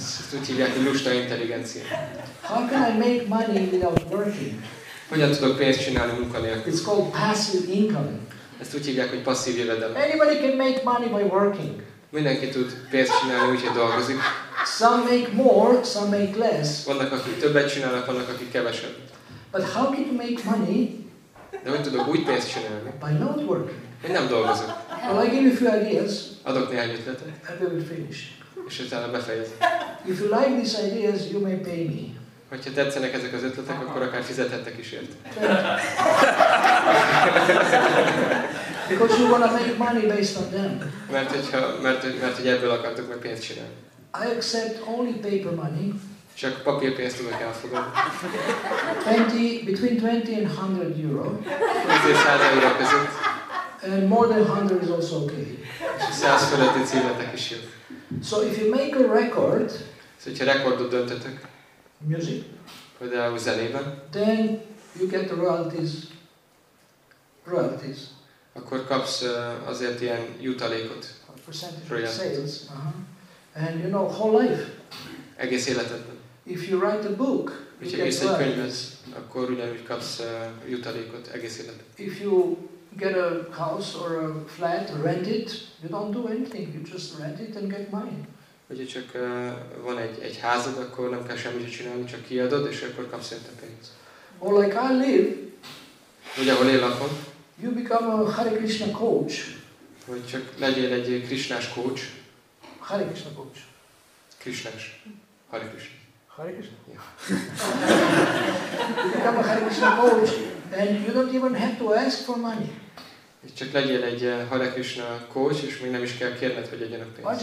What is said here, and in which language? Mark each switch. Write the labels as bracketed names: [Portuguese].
[Hungarian] Ezt úgy hívják, hogy lusta intelligencia. [English] How can I make money without working? [Hungarian] Hogyan tudok pénzt csinálni munkanélkül? [English] It's called passive income. [Hungarian] Ezt úgy hívják, hogy passzív jövedelem. [English] Anybody can make money by working. [Hungarian] Mindenki tud pénzt csinálni, úgyhogy dolgozik. [English] Some make more, some make less. [Hungarian] Vannak, akik többet csinálnak, vannak, akik kevesebb. [English] But how can you make money? [Hungarian] De hogy tudok úgy pénzt csinálni? [English] By not working. [Hungarian] Hogy nem dolgozok. [English] Well, I give you a few ideas. [Hungarian] Adok néhány ötletet. [English] And we will finish. [Hungarian] És utána befejezem. [English] If you like these ideas, you may pay me. [Hungarian] Hogyha tetszenek ezek az ötletek, uh-huh, akkor akár fizethettek is ért. [English] Because you wanna make money based on them. [Hungarian] Mert hogy ebből akartok meg pénzt csinálni. [English] I accept only paper money. [Hungarian] Csak papírpénzt tudok elfogadni. [English] Between 20 and 100 euro. [Hungarian] 100 euro között. [English] And more than 100 is also okay. [Hungarian] És 100 feletti címletek is jó. [English] So if you make a record. [Hungarian] Szóval, hogyha rekordot döntetek. [English] Music. [Hungarian] Például zenében. [English] Then you get the royalties. [Hungarian] Akkor kapsz azért ilyen jutalékot. [English] A percentage of sales. Uh-huh. And you know, whole life. [Hungarian] Egész életedben. [English] If you write a book, [Hungarian] hogyha [English] you get [Hungarian] egy könyvet, akkor ugyanúgy kapsz jutalékot egész életedben. [English] If you get a house or a flat, rent it, you don't do anything, you just rent it and get money. [Hungarian] Hogyha csak van egy házad, akkor nem kell semmit csinálni, csak kiadod, és akkor kapsz érte pénzt. [English] Or like I live. [Hungarian] Ugye, ahol én lakom. [English] You become a Hare Krishna coach. [Hungarian] Vagy csak legyél egy krisnás coach. [English] Hare Krishna coach. [Hungarian] Krisnás. Hare Krishna. [English] Hare Krishna? Ja. You become a Hare Krishna coach and you don't even have to ask for money. [Hungarian] Csak legyél egy Hare Krishna coach, és még nem is kell kérned, hogy adjanak pénzt.